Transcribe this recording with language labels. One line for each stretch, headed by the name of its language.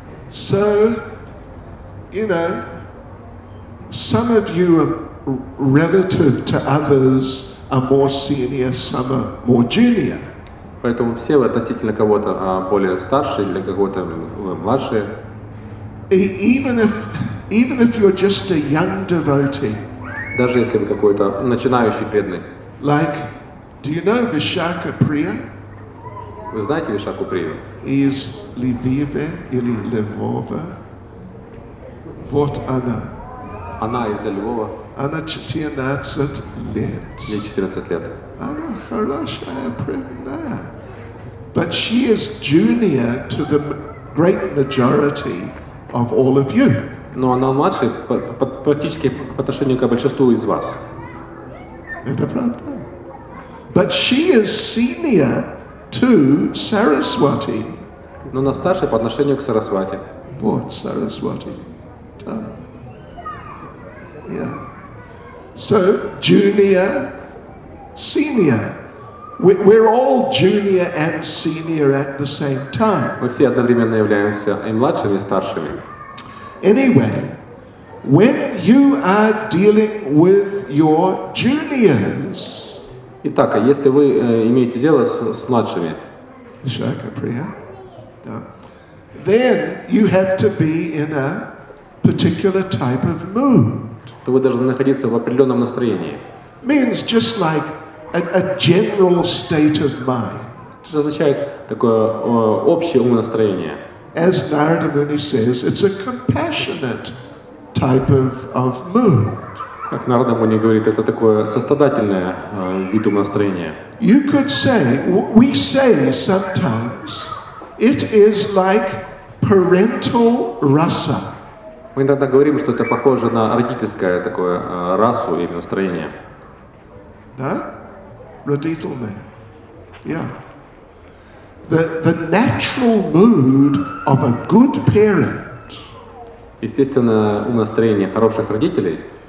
English: So, you know, some of you are relative to others are more senior, some are more junior.
Russian: Поэтому все вы относительно кого-то более старше или кого-то младше.
English: Even if you're just a young devotee.
Russian: Даже если вы какой-то начинающий преданный.
English: Like, do you know Vishakha Priya?
Russian: Вы знаете Вишаку Прию? Из Львова или Львова? Вот она. Она из Львова. Она 14 лет. Ей 14 лет. Она хорошая преданная.
English: But she is junior to the great majority of all of you.
Russian: Но она младше практически по отношению к большинству из вас. Это правда.
English: But she is senior to Saraswati.
Russian: Но она старше по отношению к Сарасвати. Вот Сарасвати.
English: Yeah. So junior, senior. We're all junior and senior at the same time.
Russian: Мы все одновременно являемся и младшими, и старшими.
English: Anyway, when you are dealing with your juniors.
Russian: Итак, а если вы имеете дело с младшими? Шакаприя. Да.
English: Then you have to be in a particular type of mood.
Russian: То вы должны находиться в определенном настроении.
English: Means just like a general state of mind.
Russian: Это означает такое общее умонастроение.
English: As Narada Muni says, it's a compassionate type of mood.
Russian: Как Нарада Муни говорит, это такое сострадательное вид умонастроения.
English: You could say, we say sometimes, it is like parental rasa.
Russian: Мы иногда говорим, что это похоже на родительское такое расу или настроение. Да? Родительное.
English: Yeah. The natural mood of a good parent.
Russian: Естественно, умонастроение хороших родителей.